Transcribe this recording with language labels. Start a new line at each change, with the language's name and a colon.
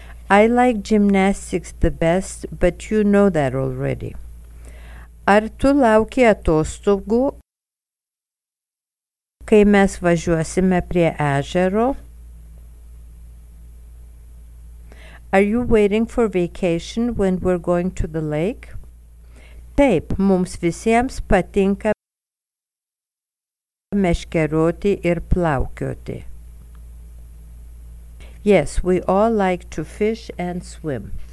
English: I like gymnastics the best, but you know that already.
Lithuanian: Ar tu lauki atostogų, kai mes važiuosime prie ežero?
English: Are you waiting for vacation when we're going to the lake?
Lithuanian: Taip, mums visiems patinka meškeroti ir plaukioti.
English: Yes, we all like to fish and swim.